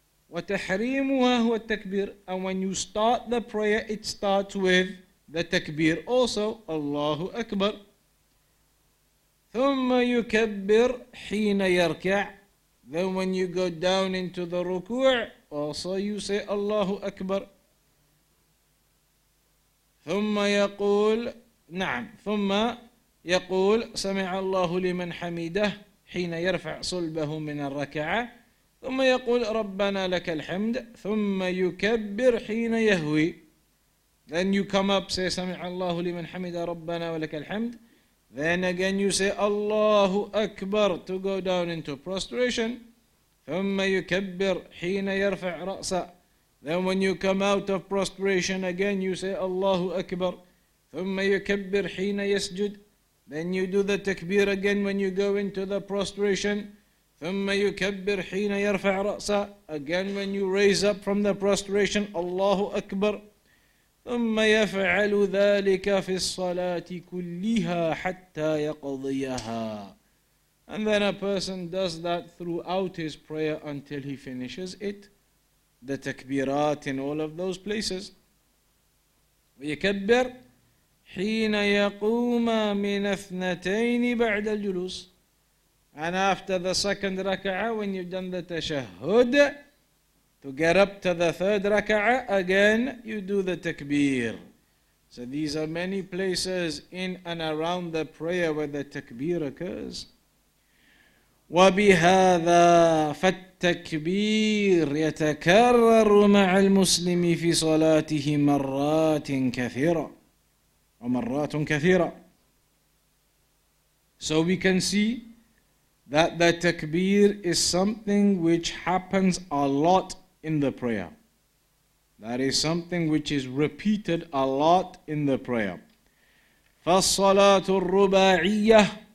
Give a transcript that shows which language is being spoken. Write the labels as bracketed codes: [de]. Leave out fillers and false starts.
[ar] وتحريمها هو التكبير. [en] And when you start the prayer, it starts with the takbir also, Allahu Akbar. [ar] ثم يكبر حين يركع. [en] Then when you go down into the ruku', also you say Allahu Akbar. [ar] ثم يقول نعم ثم يقول سمع الله لمن حمده حين يرفع صلبه من الركعة ثم يقول ربنا لك الحمد ثم يكبر حين يهوي. [en] Then you come up, say [ar] سمع الله لمن حمده ربنا ولك الحمد. [en] Then again you say Allahu Akbar to go down into prostration. [ar] ثم يكبر حين يرفع رأسه. [en] Then when you come out of prostration again, you say Allahu Akbar. [ar] ثم يكبر حين يسجد. [en] Then you do the takbir again when you go into the prostration. [ar] ثم يكبر حين يرفع رأسه. [en] Again when you raise up from the prostration, Allahu Akbar. [ar] ثم يفعل ذلك في الصلاة كلها حتى يقضيها. [en] And then a person does that throughout his prayer until he finishes it. The takbirat in all of those places. [ar] ويكبر حين يقوم من اثنتين بعد الجلوس. [en] And after the second raka'ah, when you've done the tashahud, to get up to the third raka'ah, again, you do the takbir. So these are many places in and around the prayer where the takbir occurs. [ar] وبهذا فالتكبير يتكرر مع المسلم في صلاته مرات كثيرة ومرات كثيرة. [en] So we can see that the takbir is something which happens a lot in the prayer. That is something which is repeated a lot in the prayer. [ar] فالصلاة الرباعية